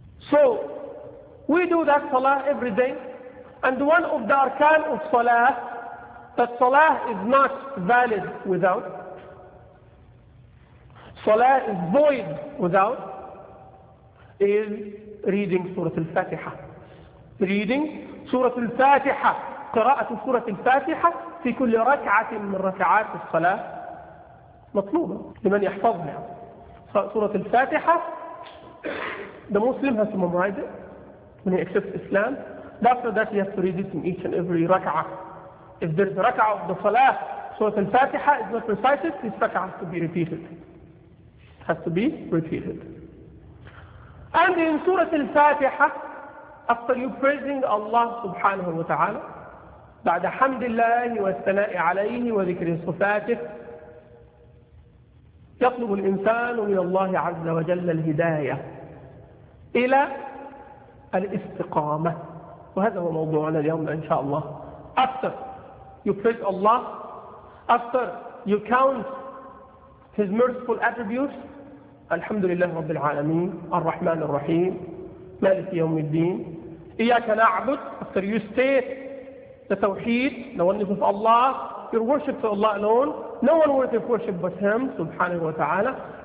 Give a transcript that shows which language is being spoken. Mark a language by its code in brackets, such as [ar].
[en] So we do that salah every day, and one of the arkan of salah, that salah is not valid without, salah is void without, is reading Surah Al-Fatiha. Reading Surah Al-Fatiha. [ar] قراءه سوره الفاتحه في كل ركعه من ركعات الصلاه مطلوبه لمن يحفظها. [en] سوره الفاتحه the Muslim has to memorize it when he accepts Islam. After that he has to read it in each and every ركعه. If there's a ركعه of the salah, سوره الفاتحه is not recited, this ركعه has to be repeated. Has to be repeated. And in سوره الفاتحه, after you praising Allah سبحانه وتعالى, [ar] بعد حمد الله والثناء عليه وذكر صفاته, يطلب الإنسان من الله عز وجل الهداية إلى الاستقامة, وهذا هو موضوعنا اليوم إن شاء الله. [en] After you praise Allah, after you count His merciful attributes, [ar] الحمد لله رب العالمين, الرحمن الرحيم, مالك يوم الدين, إياك نعبد, [en] after you state the tawheed, the oneness of Allah, your worship to Allah alone, no one worthy of worship but Him, subhanahu wa ta'ala.